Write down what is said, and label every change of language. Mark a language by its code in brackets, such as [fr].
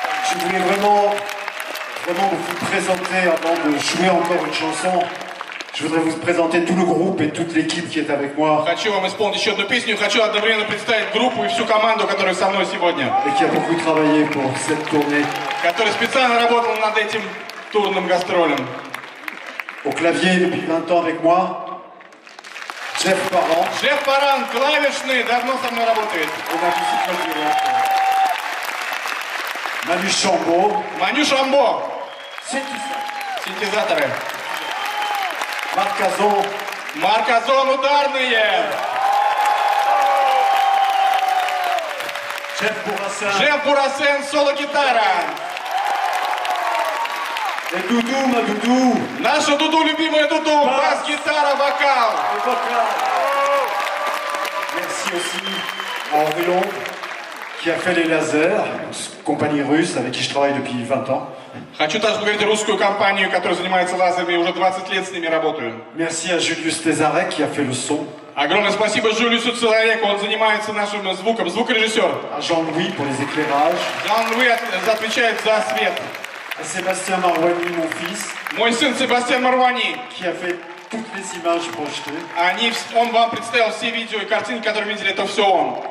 [fr] Je voulais vraiment, vraiment vous présenter avant de jouer encore une chanson. Je voudrais vous présenter tout le groupe et toute l'équipe qui est avec moi. [ru] Хочу вам исполнить еще одну песню. Хочу одновременно представить группу и всю команду, которая со мной сегодня. [fr] Et qui a beaucoup travaillé pour cette tournée. [ru] Который специально работал над этим турным гастролем. [fr] Au clavier depuis 20 ans avec moi. Jeff Parent. [ru] Jeff Parent, клавишный, давно со мной работает. [fr] Au participant. Manu Chambaud. Manu Chambaud. Synthesizers. Marc Azon. [ru] Marc Azon, ударные. [fr] Jeff Bourassin. [ru] Jeff Bourassin, соло гитара. И Дуду, на Дуду. Наша Дуду, любимая Дуду. Бас, гитара, вокал. И вокал. [fr] Merci aussi, Orvillon. Qui a fait les lasers, compagnie russe avec qui je travaille depuis 20 ans. [ru] Хочу также поговорить о русскую компанию, которая занимается лазерами, уже 20 лет с ними работаю. [fr] Merci à Julius Tesarek qui a fait le son. [ru] Огромное спасибо Джулиусу Цезареку, он занимается нашим звуком, звукорежиссер. [fr] À Jean-Louis pour les éclairages. [ru] Jean-Louis отвечает за свет. [fr] À Sébastien Marouani, mon fils. [ru] Мой сын Себастьян Марвани. [fr] Qui a fait toutes les images projetées. [ru] Они, он вам представил все видео и картинки, которые видели, это все он.